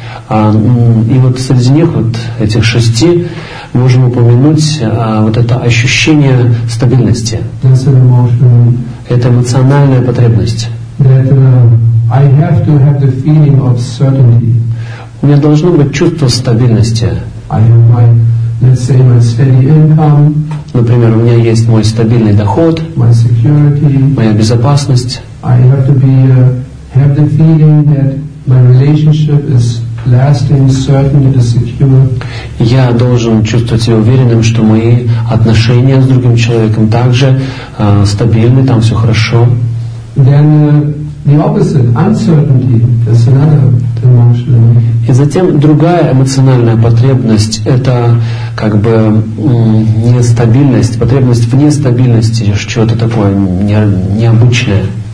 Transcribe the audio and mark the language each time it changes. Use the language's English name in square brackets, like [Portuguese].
[Russian] И вот среди них, вот этих 6, можем упомянуть вот это ощущение стабильности. [English] That's an emotion. [Russian] Это эмоциональная потребность. [English] That, I have to have the feeling of certainty. [Russian] У меня должно быть чувство стабильности. [English] I have my, let's say, my steady income. [Russian] Например, у меня есть мой стабильный доход, [English] my security, [Russian] моя безопасность. [English] I have to be, have the feeling that my relationship is lasting, certain, and secure. [Russian] Я должен чувствовать себя уверенным, что мои отношения с другим человеком также стабильны, там все хорошо. [English] Then, the opposite, uncertainty, that's another emotion. [Russian] И затем другая эмоциональная потребность – это как бы нестабильность, потребность в нестабильности, что-то такое необычное.